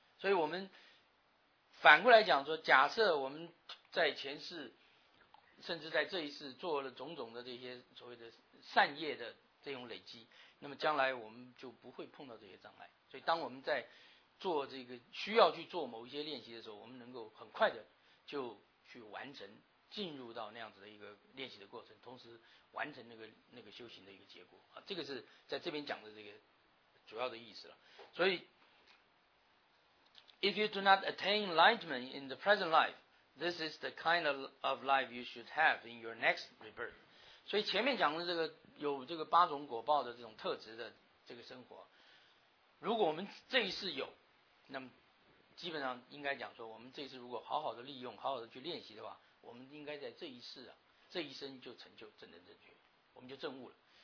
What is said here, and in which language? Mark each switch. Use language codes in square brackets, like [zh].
[zh] 所以我们反过来讲说，假设我们在前世甚至在这一世做了种种的这些所谓的善业的这种累积，那么将来我们就不会碰到这些障碍。所以当我们在做这个需要去做某一些练习的时候，我们能够很快的就去完成，进入到那样子的一个练习的过程，同时完成那个修行的一个结果啊，这个是在这边讲的这个主要的意思了。 [en] 所以 If you do not attain enlightenment in the present life, this is the kind of life you should have in your next rebirth. [zh] 所以前面讲的这个有这个八种果报的这种特质的这个生活，如果我们这一世有，那么基本上应该讲说，我们这一世如果好好的利用，好好的去练习的话，我们应该在这一世啊，这一生就成就正等正觉，我们就证悟了。